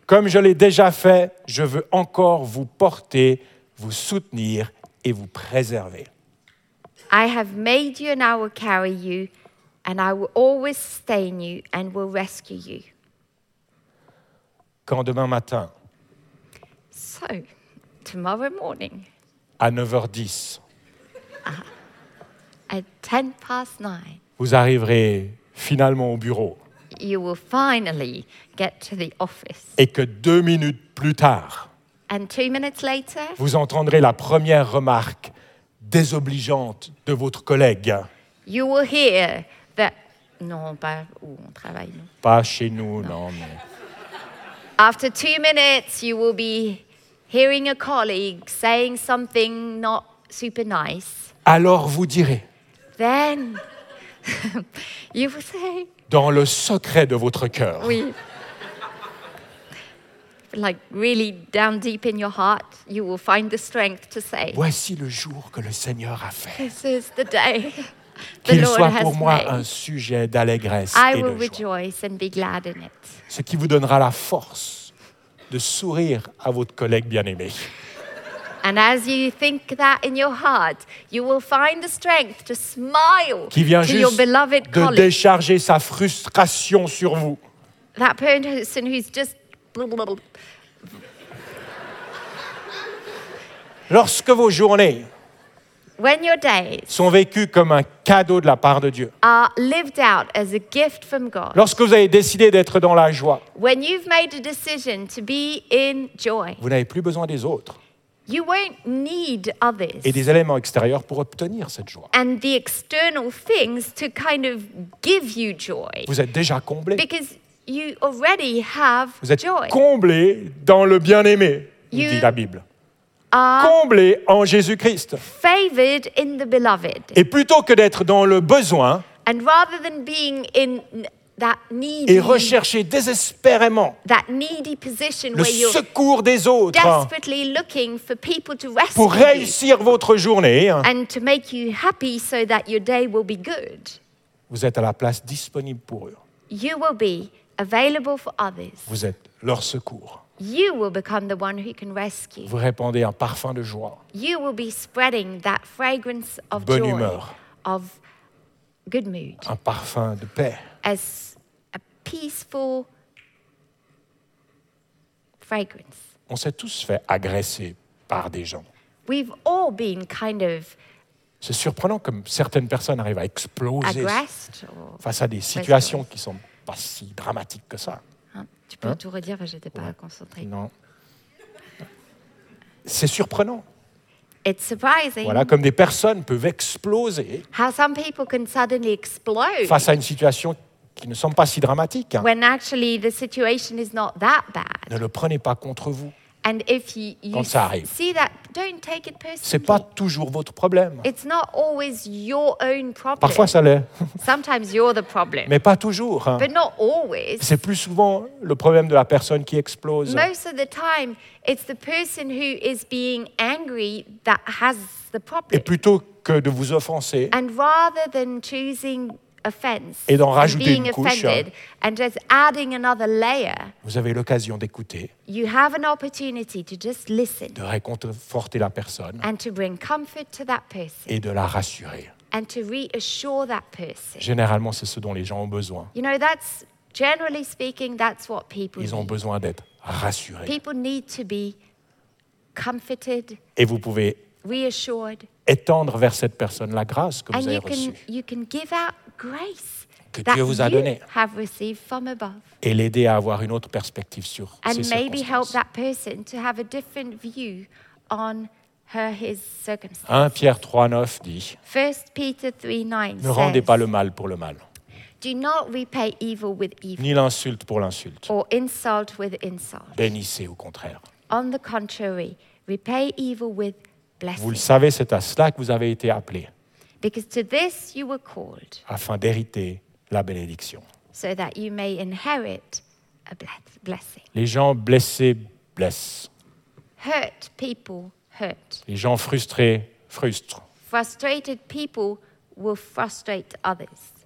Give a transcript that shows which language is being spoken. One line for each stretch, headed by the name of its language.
French: Comme je l'ai déjà fait, je veux encore vous porter. Vous soutenir et vous préserver.
English: I have made you and I will carry you and I will always sustain you and will rescue you.
French: Quand demain matin
English: So, tomorrow morning.
French: À 9h10.
English: At 10 past 9.
French: Vous arriverez finalement au bureau.
English: You will finally get to the office.
French: Et que 2 minutes plus tard.
English: And 2 minutes later.
French: Vous entendrez la première remarque désobligeante de votre collègue.
English: You will hear that.
French: Non, pas où on travaille, non. Pas chez nous, non. Non, mais.
English: After 2 minutes, you will be hearing a colleague saying something not super nice.
French: Alors vous direz.
English: Then. You will say.
French: Dans le secret de votre cœur. Oui.
English: Like really down deep in your heart, you will find the strength to say.
French: Voici le jour que le Seigneur a fait.
English: This is the day.
French: Qu'il soit pour moi un sujet d'allégresse et de joie.
English: I will rejoice and be glad in it.
French: Ce qui vous donnera la force de sourire à votre collègue bien-aimé.
English: And as you think that in your heart, you will find the strength to smile to your beloved colleague.
French: Qui vient juste de décharger sa frustration sur vous.
English: That person who's just.
French: Lorsque vos journées.
English: When your days
French: sont vécues comme un cadeau de la part de Dieu.
English: Are lived out as a gift from God.
French: Lorsque vous avez décidé d'être dans la joie.
English: When you've made a decision to be in joy.
French: Vous n'avez plus besoin des autres.
English: You won't need others.
French: Et des éléments extérieurs pour obtenir cette joie.
English: And the external things to kind of give you joy.
French: Vous êtes déjà comblé.
English: Because you already have joy.
French: Vous êtes comblé dans le bien-aimé, dit la Bible. Comblé en Jésus-Christ.
English: Favored in the beloved.
French: Et plutôt que d'être dans le besoin
English: and rather than being in that needy,
French: et rechercher désespérément
English: that needy position
French: le
English: where
French: secours des autres
English: desperately looking for people to rescue
French: pour réussir votre journée
English: and to make you happy so that your day will be good.
French: Vous êtes à la place disponible pour eux.
English: You will be available for others.
French: Vous êtes leur secours.
English: You will become the one who can rescue.
French: Vous répandez un parfum de joie.
English: You will be spreading that fragrance of
French: bonne
English: joy,
French: humeur.
English: Of good mood.
French: Un parfum de paix.
English: As a peaceful fragrance.
French: On s'est tous fait agresser par des gens.
English: We've all been kind of.
French: C'est surprenant comme certaines personnes arrivent à exploser
English: aggressed
French: face à des situations qui sont pas si dramatiques que ça. Tu peux tout redire, parce que j'étais pas concentrée. Non. C'est surprenant.
English: It's surprising.
French: Voilà, comme des personnes peuvent exploser.
English: How some people can suddenly explode.
French: Face à une situation qui ne semble pas si dramatique.
English: When actually the situation is not that bad.
French: Ne le prenez pas contre vous.
English: And if
French: quand ça arrive.
English: See that, don't take it personally.
French: C'est pas toujours votre problème.
English: It's not always your own problem.
French: Parfois ça l'est.
English: Sometimes you're the problem.
French: Mais pas toujours.
English: Hein. But not always.
French: C'est plus souvent le problème de la personne qui explose.
English: Most of the time, it's the person who is being angry that has the problem.
French: Et plutôt que de vous offenser.
English: And rather than choosing offense.
French: Et d'en rajouter
English: and being
French: une couche.
English: Offended, and just adding another layer.
French: Vous avez l'occasion d'écouter.
English: You have an opportunity to just listen.
French: De réconforter la personne.
English: And to bring comfort to that person.
French: Et de la rassurer.
English: And to reassure that person.
French: Généralement, c'est ce dont les gens ont besoin.
English: You know, that's generally speaking, that's what people
French: ils ont besoin d'être rassurés.
English: People need to be comforted.
French: Et vous pouvez
English: reassured.
French: Étendre vers cette personne la grâce que
English: and
French: vous avez reçue.
English: And you can give out grace
French: que
English: that
French: Dieu vous a donné
English: have received from above.
French: Et l'aider à avoir une autre perspective sur
English: and
French: ces circonstances.
English: And maybe help that person to have a different view on her his circumstances.
French: 1 Pierre 3:9 dit.
English: 1 Peter 3:9
French: ne rendez pas le mal pour le mal.
English: Do not repay evil with evil.
French: Ni l'insulte pour l'insulte.
English: Or insult with insult.
French: Bénissez au contraire.
English: On the contrary, repay evil with blessing.
French: Vous le savez, c'est à cela que vous avez été appelés.
English: Because to this you were called.
French: Afin d'hériter la bénédiction.
English: So that you may inherit a blessing.
French: Les gens blessés blessent.
English: Hurt people hurt.
French: Les gens frustrés frustrent.
English: Frustrated people will frustrate others.